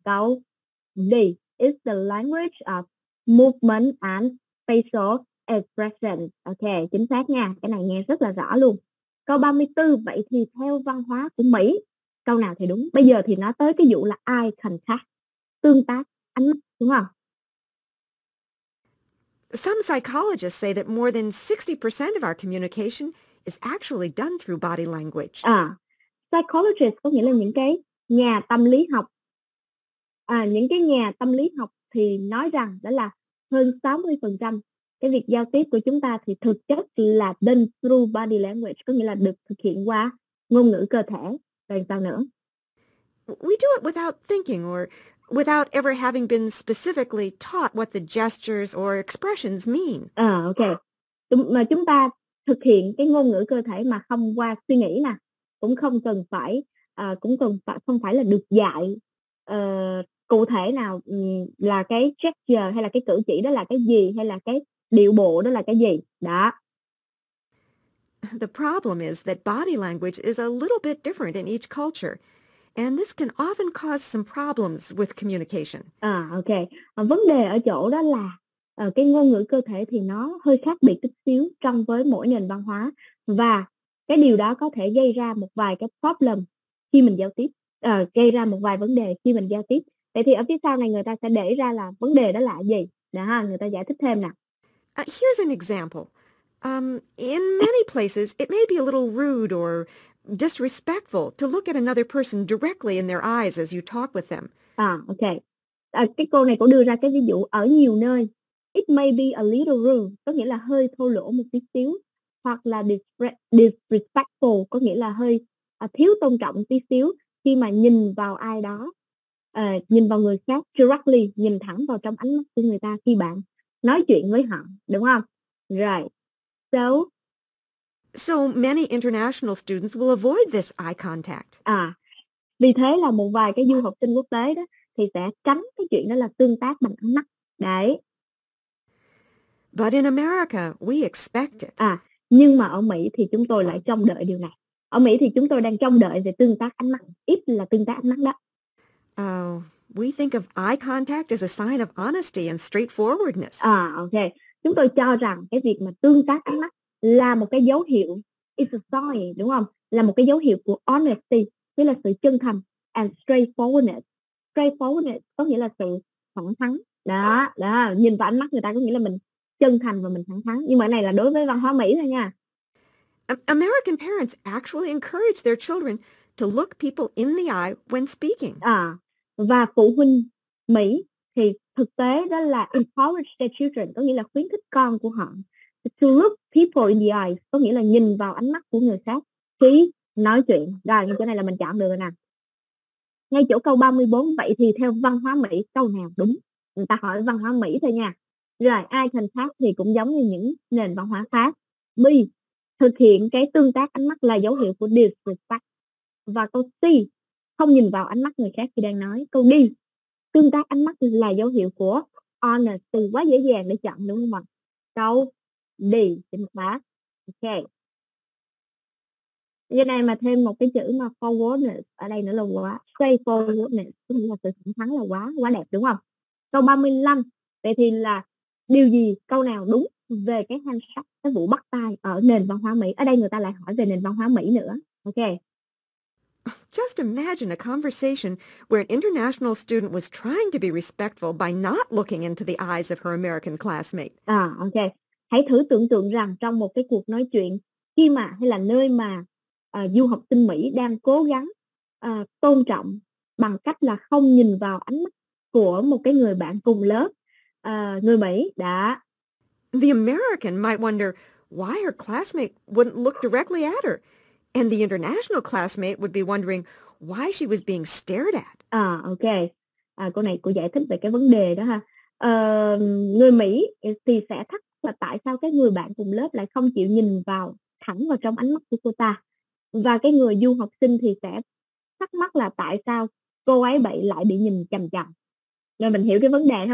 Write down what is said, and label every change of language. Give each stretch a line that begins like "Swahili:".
Vietnamese: Câu D
English: is the language of movement and facial expression.
Vietnamese: Ok, chính xác nha. Cái này nghe rất là rõ luôn. Câu 34, vậy thì theo văn hóa của Mỹ, câu nào thì đúng? Bây giờ thì nói tới cái vụ là eye contact, tương tác ánh mắt, đúng không?
English: Some psychologists say that more than 60% of our communication is actually done through body language.
Vietnamese: À, psychologist có nghĩa là những cái nhà tâm lý học. À, những cái nhà tâm lý học thì nói rằng đó là hơn 60% cái việc giao tiếp của chúng ta thì thực chất là
English: done through body language,
Vietnamese: có nghĩa là được thực hiện qua ngôn ngữ cơ thể. Rồi sao nữa?
English: We do it without thinking or without ever having been specifically taught what the gestures or expressions mean. À, ok.
Vietnamese: Mà chúng ta thực hiện cái ngôn ngữ cơ thể mà không qua suy nghĩ nè, cũng không cần phải, không phải là được dạy cụ thể nào là cái gesture hay là cái cử chỉ đó là cái gì hay là cái điệu bộ đó là cái gì. Đó.
English: The problem is that body language is a little bit different in each culture. And this can often cause some problems with communication. À, ok.
Vietnamese: Vấn đề ở chỗ đó là cái ngôn ngữ cơ thể thì nó hơi khác biệt chút xíu trong với mỗi nền văn hóa. Và cái điều đó có thể gây ra một vài cái problem khi mình giao tiếp. Gây ra một vài vấn đề khi mình giao tiếp. Vậy thì ở phía sau này người ta sẽ để ra là vấn đề đó là gì. Đó, người ta giải thích thêm nè.
English: Here's an example. In many places, it may be a little rude or disrespectful to look at another person directly in their eyes as you talk with them. À, ok.
Vietnamese: À, cái cô này cũng đưa ra cái ví dụ ở nhiều nơi.
English: It may be a little rude,
Vietnamese: có nghĩa là hơi thô lỗ một tí xíu. Hoặc là disrespectful, có nghĩa là hơi thiếu tôn trọng tí xíu khi mà nhìn vào ai đó, nhìn vào người khác directly, nhìn thẳng vào trong ánh mắt của người ta khi bạn nói chuyện với họ, đúng không?
English: Right. So many international students will avoid this eye contact.
Vietnamese: À, vì thế là một vài cái du học sinh quốc tế đó thì sẽ tránh cái chuyện đó là tương tác bằng ánh mắt. Đấy. But in America, we expect it. À, nhưng mà ở Mỹ thì chúng tôi lại trông đợi điều này. Ở Mỹ thì chúng tôi đang trông đợi về tương tác ánh mắt, ít là tương tác ánh mắt đó.
English: Oh, we think of eye contact as a sign of honesty and straightforwardness. À, okay.
Vietnamese: Chúng tôi cho rằng cái việc mà tương tác ánh mắt là một cái dấu hiệu,
English: it's a sign,
Vietnamese: đúng không? Là một cái dấu hiệu của honesty, nghĩa là sự chân thành,
English: and straightforwardness.
Vietnamese: Straightforwardness có nghĩa là sự thẳng thắn. Đó, đó, nhìn vào ánh mắt người ta có nghĩa là mình chân thành và mình thẳng thắn. Nhưng mà cái này là đối với văn hóa Mỹ thôi nha. American parents actually encourage their children to look people in the eye when speaking. À, và phụ huynh Mỹ thì thực tế đó là
English: encourage their children,
Vietnamese: có nghĩa là khuyến khích con của họ.
English: To look people in the eyes,
Vietnamese: có nghĩa là nhìn vào ánh mắt của người khác khi nói chuyện. Rồi, như chỗ này là mình chọn được rồi nè. Ngay chỗ câu 34, vậy thì theo văn hóa Mỹ, câu nào đúng? Người ta hỏi văn hóa Mỹ thôi nha. Rồi, eye contact thì cũng giống như những nền văn hóa khác. B, thực hiện cái tương tác ánh mắt là dấu hiệu của disrespect. Và câu C, không nhìn vào ánh mắt người khác khi đang nói. Câu D, tương tác ánh mắt là dấu hiệu của honesty. Quá dễ dàng để chọn đúng không ạ? Câu D, chính xác. Ok. Giờ này mà thêm một cái chữ mà forwardness ở đây nữa là quá. Straightforwardness, có nghĩa là sự thẳng thắn là quá, quá đẹp đúng không? Câu 35, vậy thì là điều gì, câu nào đúng về cái handshake, cái vụ bắt tay ở nền văn hóa Mỹ? Ở đây người ta lại hỏi về nền văn hóa Mỹ nữa. Ok.
English: Just imagine a conversation where an international student was trying to be respectful by not looking into the eyes of her American classmate. À, ok.
Vietnamese: Hãy thử tưởng tượng rằng trong một cái cuộc nói chuyện khi mà hay là nơi mà du học sinh Mỹ đang cố gắng tôn trọng bằng cách là không nhìn vào ánh mắt của một cái người bạn cùng lớp người Mỹ đã.
English: The American might wonder why her classmate wouldn't look directly at her. And the international classmate would be wondering why she was being stared at. À, ok.
Vietnamese: À, cô này cô giải thích về cái vấn đề đó ha. Người Mỹ thì sẽ thắc là tại sao cái người bạn cùng lớp lại không chịu nhìn vào thẳng vào trong ánh mắt của cô ta. Và cái người du học sinh thì sẽ thắc mắc là tại sao cô ấy lại bị nhìn chằm chằm. Rồi mình hiểu cái vấn đề ha.